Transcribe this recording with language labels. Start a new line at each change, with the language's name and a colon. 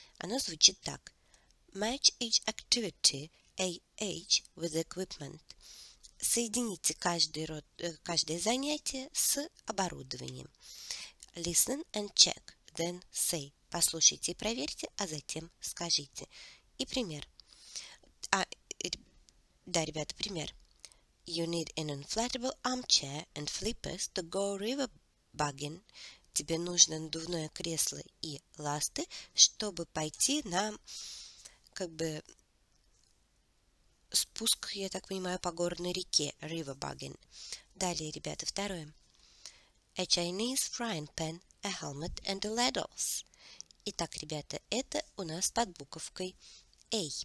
Russian: Оно звучит так.
English: Match each activity AH with equipment.
Russian: Соедините каждое занятие с оборудованием.
English: Listen and check, then say.
Russian: Послушайте и проверьте, а затем скажите. И пример. Ребята, пример.
English: You need an inflatable armchair and flippers to go river bugging.
Russian: Тебе нужно надувное кресло и ласты, чтобы пойти на, как бы, спуск, я так понимаю, по горной реке, river bugging. Далее, ребята, второе.
English: A Chinese frying pan, a helmet and the ladles.
Russian: Итак, ребята, это у нас под буковкой A.